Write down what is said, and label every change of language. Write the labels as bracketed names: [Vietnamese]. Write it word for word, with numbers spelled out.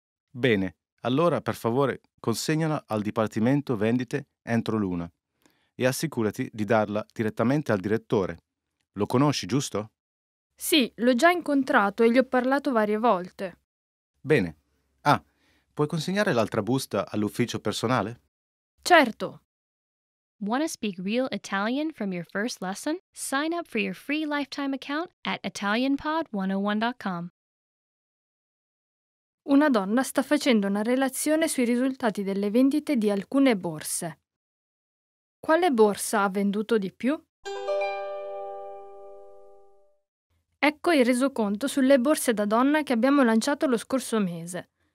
[Italian] Bene, allora per favore consegnala al Dipartimento Vendite entro l'una. E assicurati di darla direttamente al direttore. Lo conosci, giusto? Sì, l'ho già incontrato e gli ho parlato varie volte. Bene. Ah, puoi consegnare l'altra busta all'ufficio personale? Certo. [English] Want to speak real Italian from your first lesson? Sign up for your free lifetime account at italian pod one oh one dot com. [Italian] Una donna sta facendo una relazione sui risultati delle vendite di alcune borse. Quale borsa ha venduto di più? Ecco il resoconto sulle borse da donna che abbiamo lanciato lo scorso mese.